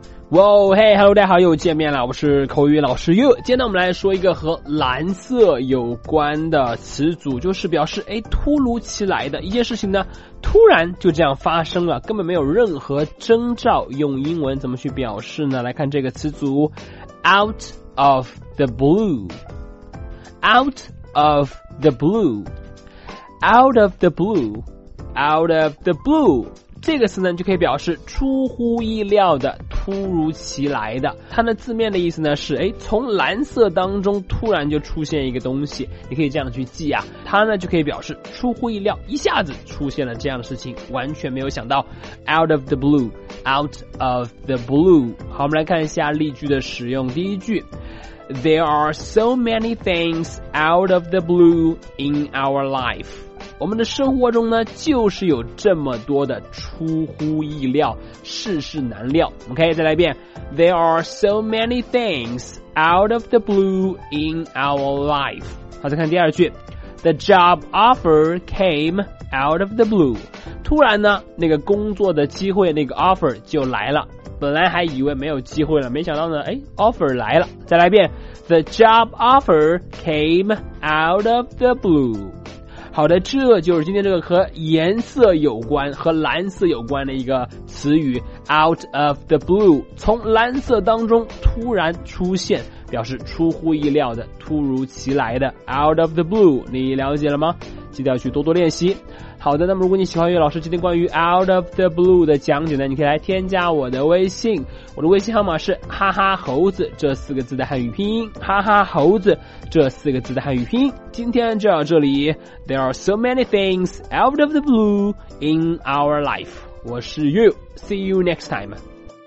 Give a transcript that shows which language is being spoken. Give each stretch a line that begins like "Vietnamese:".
Chinese: 哇哦，嘿哈喽，大家好，又见面了，我是口语老师又。今天我们来说一个和蓝色有关的词组，就是表示突如其来的一件事情呢，突然就这样发生了，根本没有任何征兆。用英文怎么去表示呢？来看这个词组
English: out of the blue， out of the blue， out of the blue， out of the blue。
Chinese: 这个词呢就可以表示出乎意料的，突如其来的。它的字面的意思呢是从蓝色当中突然就出现一个东西，你可以这样去记啊。它呢就可以表示出乎意料，一下子出现了这样的事情，完全没有想到，
English: out of the blue， out of the blue。
Chinese: 好，我们来看一下例句的使用。第一句，
English: There are so many things out of the blue in our life。
Chinese: 我们的生活中呢，就是有这么多的出乎意料，世事难料。 OK， 再来一遍。
English: There are so many things out of the blue in our life。
Chinese: 好，再看第二句。
English: The job offer came out of the blue。
Chinese: 突然呢，那个工作的机会，那个 offer 就来了。本来还以为没有机会了，没想到呢，offer 来了。再来一遍。
English: The job offer came out of the blue。
Chinese: 好的，这就是今天这个和颜色有关，和蓝色有关的一个词语
English: out of the blue，
Chinese: 从蓝色当中突然出现，表示出乎意料的，突如其来的 out of the blue。你了解了吗？记得要去多多练习。好的，那么如果你喜欢岳老师今天关于
English: out of the blue
Chinese: 的讲解呢，你可以来添加我的微信，我的微信号码是哈哈猴子这四个字的汉语拼音，哈哈猴子这四个字的汉语拼音。今天就到这里，
English: There are so many things out of the blue in our life。
Chinese: 我是岳，
English: See you next time。